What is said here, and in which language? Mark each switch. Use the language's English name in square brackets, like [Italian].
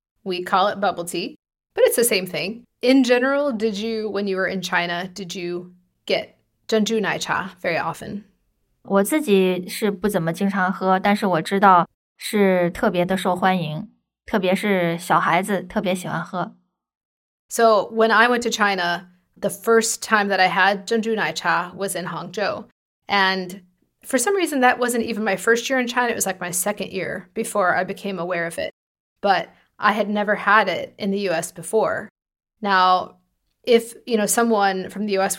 [English] We call it bubble tea, but it's the same thing. In general, when you were in China, did you get 珍珠奶茶 very often? [Chinese] 我自己是不怎么经常喝,但是我知道是特别的受欢迎,特别是小孩子特别喜欢喝。So [English] when I went to China, the first time that I had 珍珠奶茶 was in Hangzhou. And for some reason, that wasn't even my first year in China. It was like my second year before I became aware of it. But I had never had it in the U.S. before. Now, if, you know, someone from the U.S.